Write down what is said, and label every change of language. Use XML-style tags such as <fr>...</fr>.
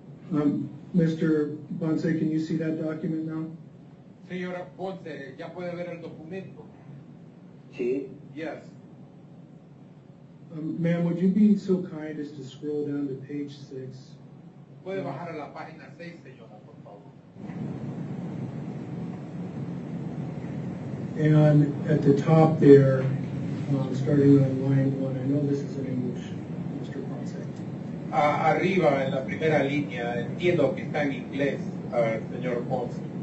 <es>Gracias.</es> <en>Mr. Ponce, can you see that document now?</en> <es>Señora Ponce, ¿ya puede ver el documento? Sí.</es> <en>Yes. Ma'am, would you be so kind as to scroll down to page 6?</en> <es>Puede bajar a la página 6, señora, por favor.</es> <en>And at the top there, starting on line 1, I know this is in English, Mr. Ponce.</en> <es>Arriba, en la primera línea, entiendo que está en inglés, señor Ponce.</es>